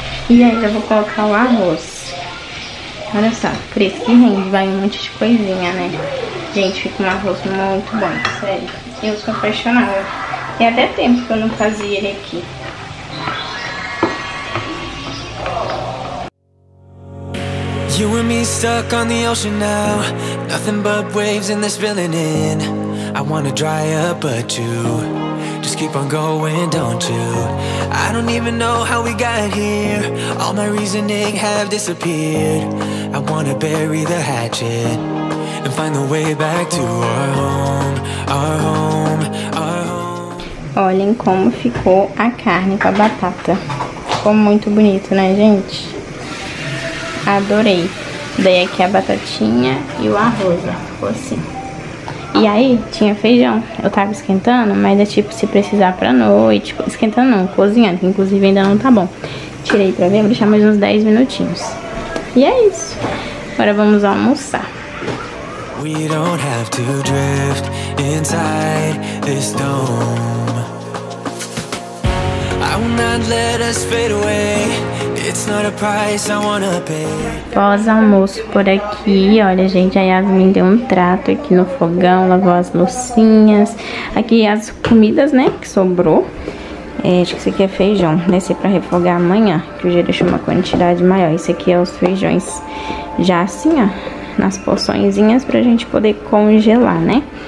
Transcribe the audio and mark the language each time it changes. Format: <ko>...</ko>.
<pt>E aí já vou colocar o arroz. Olha só, por isso que rende, vai um monte de coisinha, né? Gente, fica um arroz muito bom, sério. Eu sou apaixonada. Tem até tempo que eu não fazia ele aqui.</pt> <en>You and me stuck on the ocean now. Nothing but waves in this building in. I wanna dry up, but you just keep on going, don't you? I don't even know how we got here. All my reasoning have disappeared. I wanna bury the hatchet and find the way back to our home, our home, our home.</en> <pt>Olhem como ficou a carne com a batata. Ficou muito bonito, né, gente? Adorei. Daí aqui a batatinha e o arroz, ó. Ficou assim. E aí tinha feijão. Eu tava esquentando, mas é tipo se precisar pra noite. Esquentando não, cozinhando, que inclusive ainda não tá bom. Tirei pra ver, vou deixar mais uns 10 minutinhos. E é isso. Agora vamos almoçar.</pt> <en>We don't have to drift inside this storm. I will not let us fade away. It's not a price I wanna pay.</en> <pt>Pós-almoço por aqui. Olha, gente, a Yasmin deu um trato aqui no fogão, lavou as loucinhas. Aqui as comidas, né, que sobrou. É, acho que esse aqui é feijão. Esse é pra refogar amanhã, que o dia deixou uma quantidade maior. Esse aqui é os feijões já assim, ó, nas porçõezinhas pra gente poder congelar, né?</pt>